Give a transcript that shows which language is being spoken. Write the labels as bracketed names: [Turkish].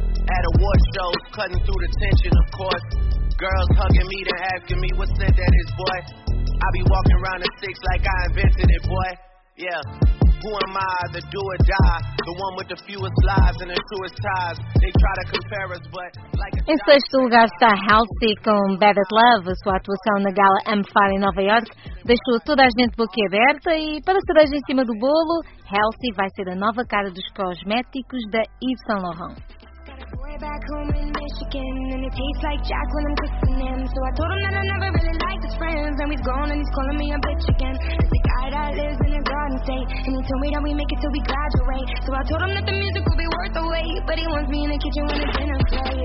[English] At award shows, cutting through the tension, of course. Girls hugging me, they're asking me what scent that is, boy. I be walking around the six like I invented it, boy. Yeah. Who am I, the do or die? The one with the fewest lives and the truest ties. They try to compare us, but like a... [Portuguese] Em sexto lugar está Halsey com Bad at Love. A sua atuação na gala M5 em Nova York deixou toda a gente boquiaberta e, para cereja em cima do bolo, Halsey vai ser a nova cara dos cosméticos da Yves Saint Laurent. [English] Got a back home in Michigan, and it tastes like Jack when I'm kissing him. So I told him that I never really liked his friends, and he's gone and he's calling me a bitch again. It's a guy that lives in a garden state, and he told me that we make it till we graduate. So I told him that the music will be worth the wait, but he wants me in the kitchen when it's dinner plate.